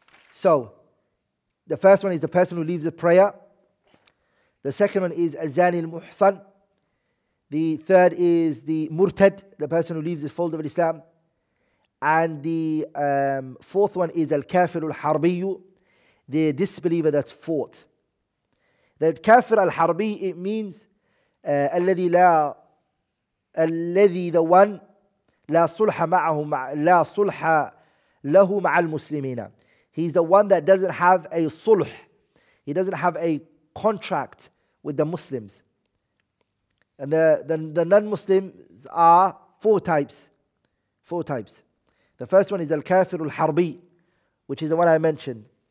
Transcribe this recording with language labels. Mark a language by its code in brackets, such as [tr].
[en] So the first one is the person who leaves the prayer. The second one is Azani al-Muhsan. The third is the Murtad, the person who leaves the fold of Islam. And the fourth one is Al-Kafir al-Harbiyu, the disbeliever that's fought. That Kafir al-Harbi, it means الذي the one [ar] لا صلح معه لا صلح له مع المسلمين. [en] He's the one that doesn't have a sulh. He doesn't have a contract with the Muslims. And the non-Muslims are four types. The first one is al-kafir al-harbi, which is the one I mentioned.